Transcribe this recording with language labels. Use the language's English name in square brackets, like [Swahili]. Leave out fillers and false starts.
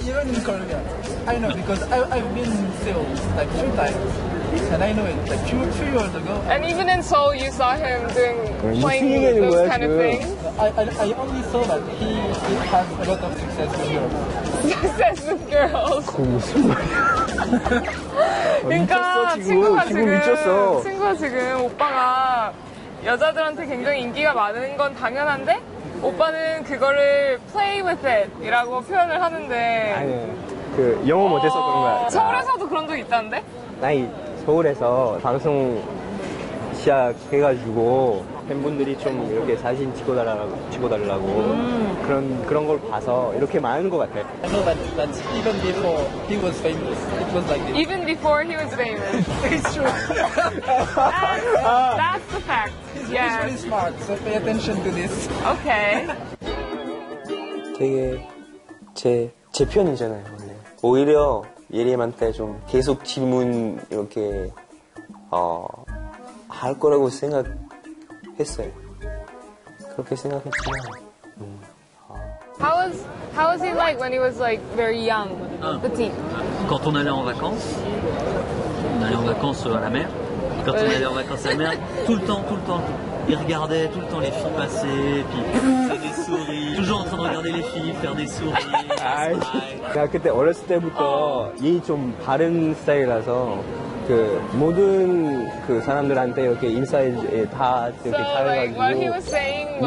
[English] even in Korea, I know because I've been in Seoul like 2 times. And I know it, like two years ago. And even in Seoul, you saw him doing, playing those kind of things? I only saw that he has a lot of success with girls. Success with girls? [Korean] 그러니까 친구가 지금 오빠가 여자들한테 굉장히 인기가 많은 건 당연한데 오빠는 그거를 [English] play with it [Korean] 이라고 표현을 하는데 그 영어 못해서 그런 거야. 서울에서도 그런 적 있다는데? 나이 서울에서 방송 시작해가지고 팬분들이 좀 이렇게 사진 찍어달라고 그런 걸 봐서 이렇게 많은 것 같아. [English] I know that even before he was famous, it was like this. Even before he was famous. It's true. That's the fact. He's really smart, so pay attention to this. Okay. [Korean] 되게 제 편이잖아요, 원래. 오히려 예림한테 좀 계속 질문 이렇게 할 거라고 생각했어요. 그렇게 생각했지만. [English] How was he like when he was like very young, petit? [French] Quand on allait en vacances, à la mer. Quand on allait en vacances à la mer, tout le temps, il regardait tout le temps les filles passer, puis faire des sourires. Toujours en train de regarder les filles faire des sourires. [Korean] 내가 그때 어렸을 때부터 얘 좀 바른 스타일이라서 그 모든 그 사람들한테 이렇게 인사에 다 이렇게 잘해가지고